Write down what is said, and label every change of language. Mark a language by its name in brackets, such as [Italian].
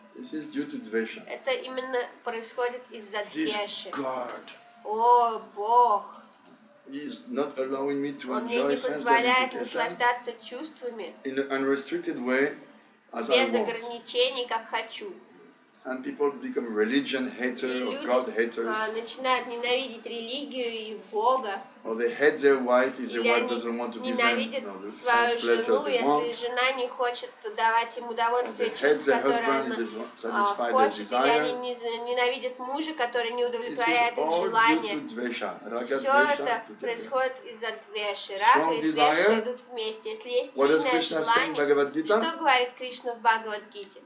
[English] This is due to dvesha. [Russian] Это именно происходит из-за двеши. [English] God. [Russian] О, Бог. [English] He is not allowing me to enjoy sense gratification. [Russian] Он не позволяет наслаждаться чувствами. [English] In an unrestricted way, as I want. [Russian] Без ограничений, как хочу. [English] And people become religion haters or God haters. [Russian] Начинают ненавидеть религию и Бога. [English] Or they hate their wife if their wife doesn't want to give them the satisfaction they want. [Russian] Если жена не хочет давать им удовольствие, ненавидят мужа, который не удовлетворяет их желания. Все это происходит из-за двеши. Рага и двеша идут вместе. Если есть сильное желание, что говорит Кришна в Бхагавад-гите?